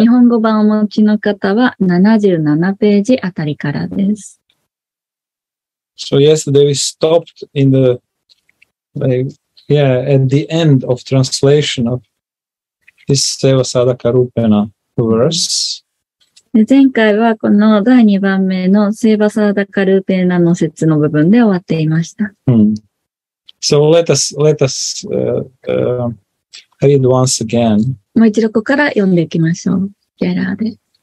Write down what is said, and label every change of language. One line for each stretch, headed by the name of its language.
Japanese: 日本語版をお持ちの方は77ページあたりからです。
English: So yesterday we stopped in the, like, yeah, at the end of translation of this Seva Sadaka Rupena verse.
Japanese: 前回はこの第2番目のセーバサーダカルーペナの説の部分で終わっていました。
English: So let us read once again.
Japanese: もう一度ここから読んでいきましょう。ギャラーで。